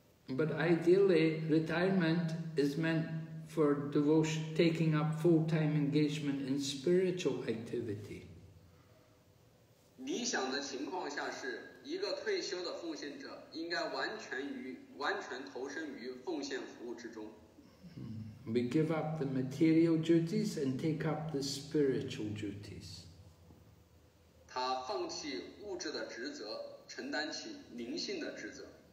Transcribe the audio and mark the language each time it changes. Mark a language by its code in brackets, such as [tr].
[en] But ideally, retirement is meant. For devotion, taking up full-time engagement in spiritual activity. [zh] 理想的情况下是一个退休的奉献者应该完全投身于奉献服务之中。 [en] We give up the material duties and take up the spiritual duties. [zh] 他放弃物质的职责，承担起灵性的职责。